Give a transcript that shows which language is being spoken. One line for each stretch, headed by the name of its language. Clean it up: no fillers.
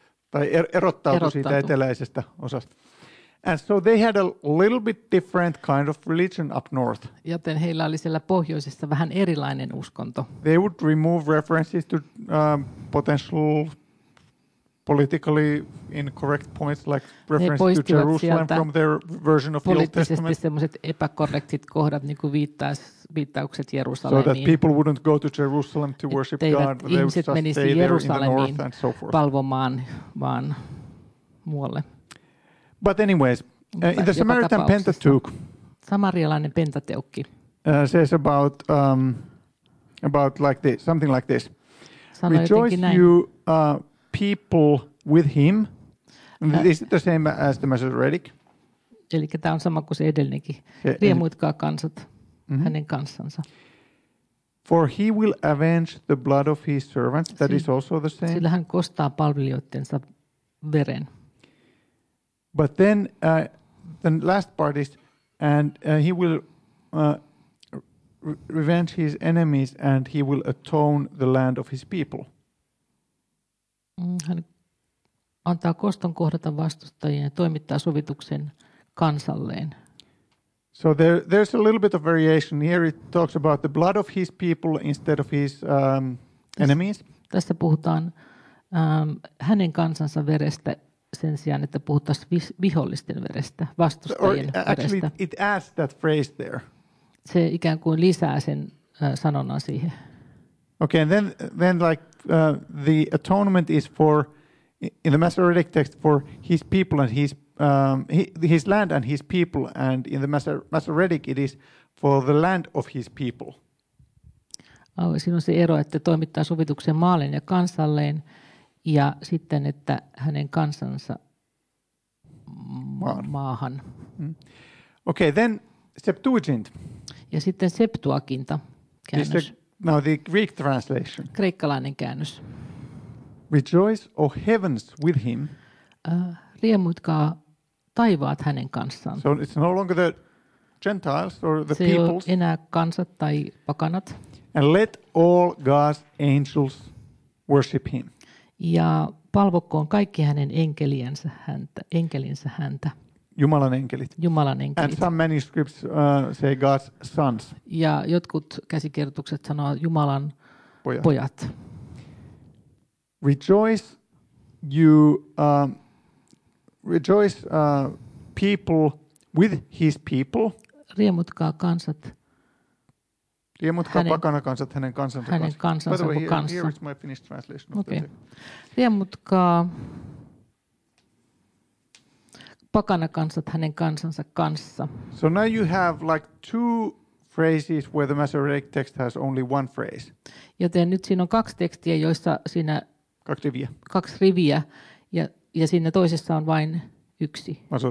Finnish: tai erottautui siitä eteläisestä osasta.
English: And so they had a little bit different kind of religion up north.
Finnish: Joten heillä oli siellä pohjoisessa vähän erilainen uskonto.
English: They would remove references to potential politically incorrect points, like reference to Jerusalem from their version of the Old Testament.
Finnish: Poliittisesti semmoiset epäkorrektit kohdat, niin kuin viittaukset Jerusalemiin.
English: So that people wouldn't go to Jerusalem to worship God, they would just stay there in the north and so forth.
Finnish: Palvomaan vaan muualle.
English: But anyways, in the Samaritan Pentateuch,
Finnish: samarialainen Pentateukki
English: says about like this, something like this.
Finnish: Sano
English: rejoice
Finnish: näin.
English: You people with him. Is it the same as the Masoretic?
Finnish: Eli tämä on sama kuin se edellinenkin. Riemuitkaa kansat hänen kanssansa.
English: For he will avenge the blood of his servants. That is also the same.
Finnish: Sillä hän kostaa palvelijoittensa veren.
English: But then the last part is, and he will revenge his enemies and he will atone the land of his people.
Finnish: Hän antaa koston kohdata vastustajien ja toimittaa sovituksen kansalleen.
English: So there's a little bit of variation here. It talks about the blood of his people instead of his enemies.
Finnish: Tässä puhutaan hänen kansansa verestä sen sijaan, että puhuttaisiin vihollisten verestä, vastustajien
English: actually,
Finnish: verestä.
English: It adds that phrase there.
Finnish: Se ikään kuin lisää sen sanonnan siihen.
English: Okay, and then like the atonement is for, in the Masoretic text, for his people and his land and his people, and in the Masoretic it is for the land of his people.
Finnish: Oh, siinä on se ero, että toimittaa sovituksen maalleen ja kansalleen, ja sitten, että hänen kansansa maahan.
English: Okay, then Septuagint.
Finnish: Ja sitten Septuaginta käännös.
English: Now the Greek translation.
Finnish: Kreikkalainen käännös.
English: Rejoice, O heavens, with him.
Finnish: Riemuitkaa taivaat hänen kanssaan.
English: So it's no longer the Gentiles or the
Finnish: se Se ei ole enää kansat tai pakanat.
English: And let all God's angels worship him.
Finnish: Ja palvokkoon kaikki hänen enkelinsä häntä. Jumalan enkelit. Jumalan enkelit.
English: And some manuscripts say God's sons.
Finnish: Ja jotkut käsikirjoitukset sanoo Jumalan pojat.
English: Rejoice, you rejoice people with his people.
Finnish: Riemutkaa kansat. Riemutkaa pakanakansat hänen kansansa hänen kanssa. Hänen kansansa kanssa.
English: Here is my finished translation of okay.
Finnish: Riemutkaa pakanakansat hänen kansansa kanssa.
English: So now you have like two phrases where the Masoretic text has only one phrase.
Finnish: Joten nyt siinä on kaksi tekstiä, joissa siinä... Kaksi riviä. Ja siinä toisessa on vain yksi.